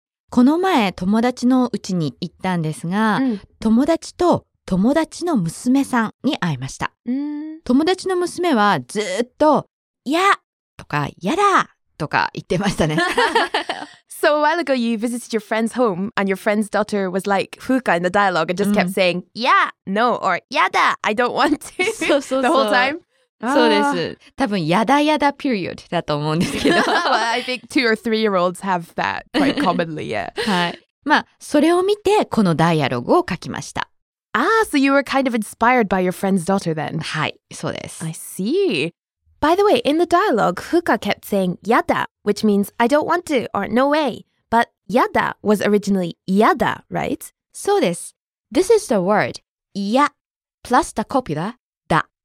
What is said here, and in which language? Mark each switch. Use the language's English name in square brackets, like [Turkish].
[Japanese] この前、友達のうちに行ったんですが、うん、友達と友達の娘さんに会いました。うん、友達の娘はずっと、嫌とか、嫌だとか言ってましたね。 [English] So a while ago you visited your friend's home and your friend's daughter was like Fuka in the dialogue and just kept saying Yeah, no, or Yada, I don't want to [Japanese] そうそうそう [English] the whole time. [Japanese] そうです。多分 [English] Yada Yada period [Japanese] だと思うんですけど。 [English] Well, I think two or three year olds have that quite commonly, yeah. [Japanese] はい。まあ、それを見てこのダイアログを書きました。 [English] Ah, so you were kind of inspired by your friend's daughter then. [Japanese] はい、そうです。 [English] I see. By the way, in the dialogue, Fuka kept saying yada, which means I don't want to or no way. But yada was originally yada, right? [Japanese] そうです。 [English] This is the word ya plus the copula da.